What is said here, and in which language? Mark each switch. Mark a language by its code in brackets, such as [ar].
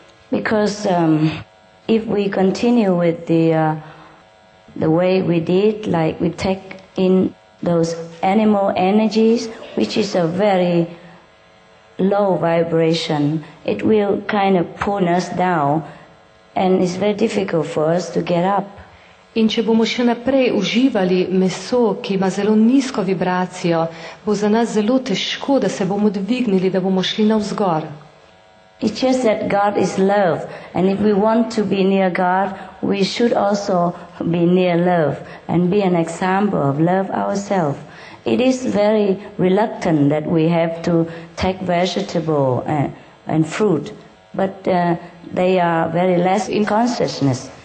[en] Because if we continue with the way we did, like we take in those animal energies, which is a very low vibration, it will kind of pull us down and it's very difficult for us to get up. [sl] In če bomo še naprej uživali meso, ki ima zelo nizko vibracijo, bo za nas zelo težko, da se bomo dvignili, da bomo šli navzgor. [en] It's just that God is love, and if we want to be near God, we should also be near love and be an example of love ourselves. It is very reluctant that we have to take vegetable and fruit, but they are very less in consciousness.